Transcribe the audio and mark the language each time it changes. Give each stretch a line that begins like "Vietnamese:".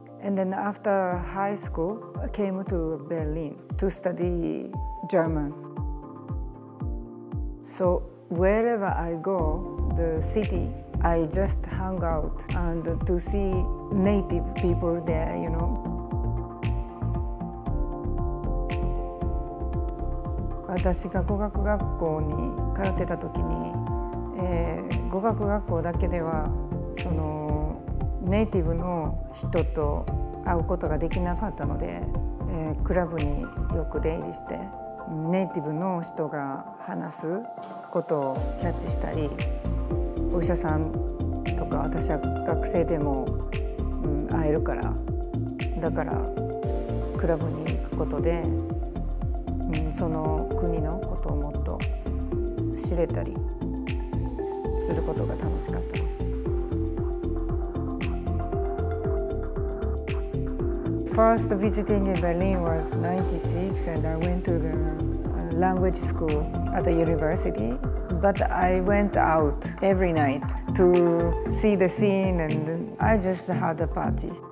English: And then after high school, I came to Berlin to study German. So,Wherever I go, the city, I just hang out and to see native people there, you know.
Japanese: 私が語学学校に通ってた時に、語学学校だけではそのネイティブの人と会うことができなかったので、クラブによく出入りして、ネイティブの人が話すことをキャッチしたり、お医者さんとか、私は学生でも、会えるから、だからクラブに行くことで、その国のことをもっと知れたりすることが楽しかったですね。
English: First visiting in Berlin was 96 and I went to the language school at the university. But I went out every night to see the scene and I just had a party.